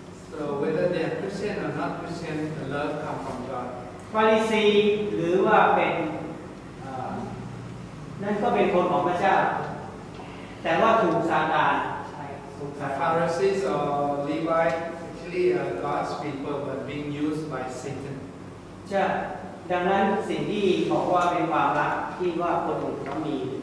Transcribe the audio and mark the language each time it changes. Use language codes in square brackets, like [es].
[en] So whether they are Christian or not Christian, the love comes from God. [th] Pharisee หรือว่าเป็นนั่นก็เป็นคนของพระเจ้าแต่ว่าถูกซาตาน ถูกซาตาน [en] Pharisees or Levi actually are God's people but being used by Satan [th] ใช่ดังนั้นสิ่งที่บอกว่าเป็นความรักที่ว่าคนอื่นต้องมี